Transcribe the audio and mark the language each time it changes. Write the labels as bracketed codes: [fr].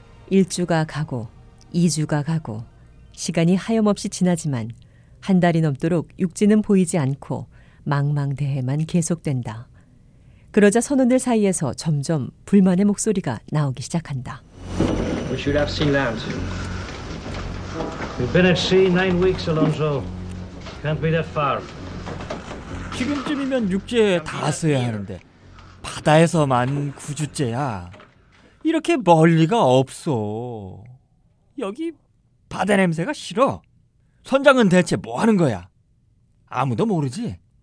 [ko] 1주가 가고 2주가 가고 시간이 하염없이 지나지만 한 달이 넘도록 육지는 보이지 않고 망망대해만 계속된다. 그러자 선원들 사이에서 점점 불만의 목소리가 나오기 시작한다. [en] We should have seen land. We've been at sea 9 weeks, Alonso. Can't be that far. [ko] 지금쯤이면 육지에 닿았어야 하는데 바다에서만 9주째야. 이렇게 멀리가 없어. 여기 바다 냄새가 싫어. 선장은 대체 뭐 하는 거야? 아무도 모르지.